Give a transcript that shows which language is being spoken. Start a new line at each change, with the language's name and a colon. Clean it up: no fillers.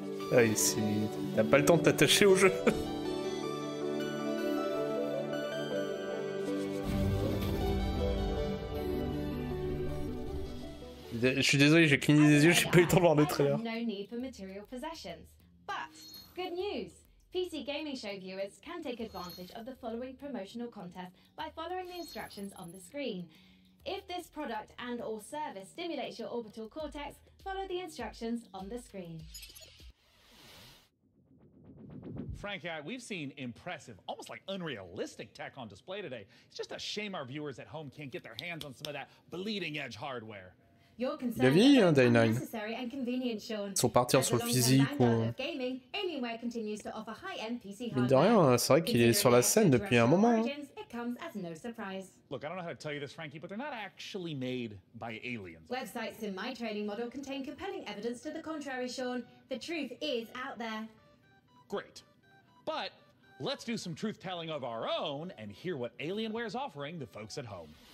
French: Ah, ici, t'as pas le temps de t'attacher au jeu. Je suis désolé, j'ai cligné des yeux, j'ai pas eu le temps de voir le trailer.
English: No need for material possessions. But good news. PC Gaming Show viewers can take advantage of the following promotional contest by following the instructions on the screen. If this product and or service stimulates your orbital cortex, follow the instructions on the screen. Frank, we've seen impressive, almost like unrealistic tech on display today. It's just a shame our viewers at home can't get their hands on some of that bleeding edge hardware. Your concern is unnecessary and convenient, Sean.
French: Sont partir sur le physique ou...
English: gaming, Alienware continues to offer high-end PC hardware.
French: Mais de rien, c'est vrai qu'il est sur la scène depuis un moment.
English: Look, I don't know how to tell you this, Frankie, but they're not actually made by aliens. Websites in my training model contain compelling evidence to the contrary, Sean. The truth is out there. Great. But let's do some truth-telling of our own and hear what Alienware is offering the folks at home.